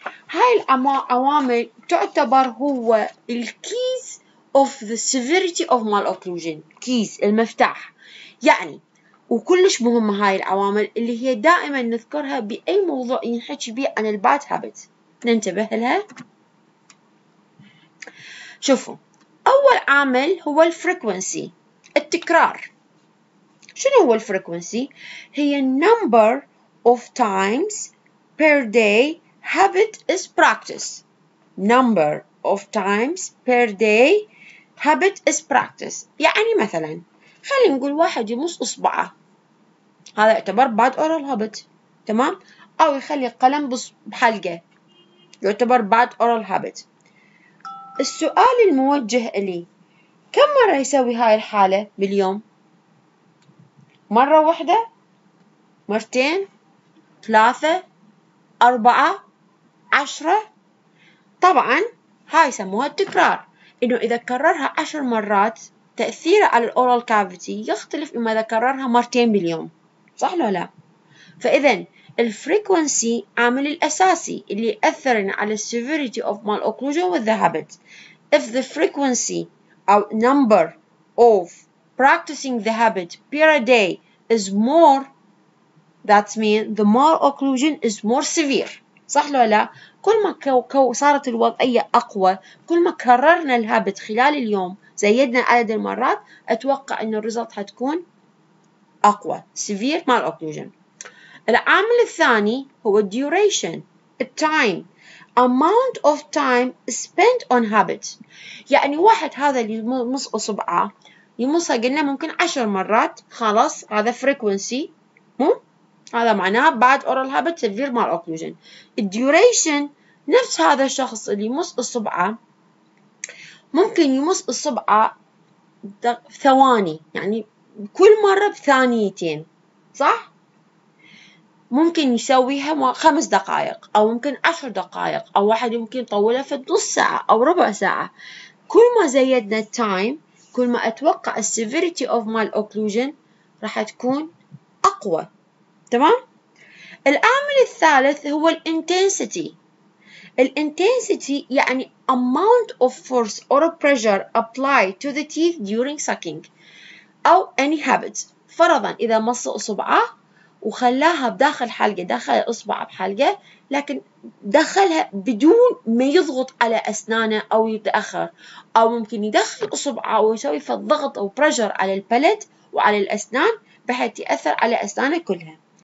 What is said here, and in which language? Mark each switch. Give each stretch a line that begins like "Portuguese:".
Arabic: هاي العوامل تعتبر هو
English: الكيز of the severity of مال occlusion,
Arabic: كيز المفتاح يعني، وكلش مهمة هاي العوامل اللي هي دائما نذكرها بأي موضوع ينحكي بيه عن الباد هابت، ننتبه لها. شوفوا، أول عامل هو الفريكوينسي، التكرار. شنو هو الفريكوينسي؟ هي
English: number of times per day habit is practiced. Number of times per day habit is practiced.
Arabic: يعني مثلا خلينا نقول واحد يمص إصبعه، هذا يعتبر
English: bad oral habit،
Arabic: تمام؟ أو يخلي قلم بحلقه، يعتبر bad oral habit. السؤال الموجه لي، كم مرة يسوي هاي الحالة باليوم؟ مرة واحدة؟ مرتين؟ ثلاثة؟ أربعة؟ عشرة؟ طبعا هاي يسموها التكرار، إنه إذا كررها 10 مرات تأثيره على الأورال كافيتي يختلف إما إذا كررها مرتين باليوم، صح ولا لا؟ فإذا الفريكوانسي عامل الأساسي اللي يأثر على
English: السيفيريتي أوف مال أوكلوجن
Arabic: والذهابت.
English: If the frequency or number of practicing the habit per day is more, that means the mal occlusion is more severe.
Arabic: صح لو لا؟ كل ما صارت الوضعية أقوى، كل ما كررنا الهابت خلال اليوم، زيدنا عدد المرات، أتوقع أن الريزلت هتكون أقوى،
English: severe mal occlusion.
Arabic: العامل الثاني هو
English: duration, time. Amount of time spent on habit.
Arabic: يعني واحد هذا اللي يمص أصبعه يمصها قلنا ممكن 10 مرات، خلاص هذا frequency، مو هذا معناه
English: bad oral habit severe mal occlusion.
Arabic: Duration نفس هذا الشخص اللي يمص أصبعه ممكن يمص أصبعه ثواني، يعني كل مرة بثانيتين، صح؟ ممكن يسويها 5 دقائق أو ممكن 10 دقائق، أو واحد يمكن يطولها في نص ساعة أو ربع ساعة. كل ما زيدنا التايم كل ما أتوقع
English: السيفيريتي أوف مال أوكلوجن
Arabic: راح تكون أقوى، تمام؟ العامل الثالث هو الانتنسيتي. الانتنسيتي يعني
English: amount of force or pressure applied to the teeth during sucking أو any habit.
Arabic: فرضا إذا مص أصبعه وخلاها بداخل حلقة، دخل إصبع بحلقة لكن دخلها بدون ما يضغط على أسنانه أو يتأخر، أو ممكن يدخل إصبعه ويسوي في الضغط أو بريشر على البلت وعلى الأسنان بحيث يأثر على أسنانه كلها.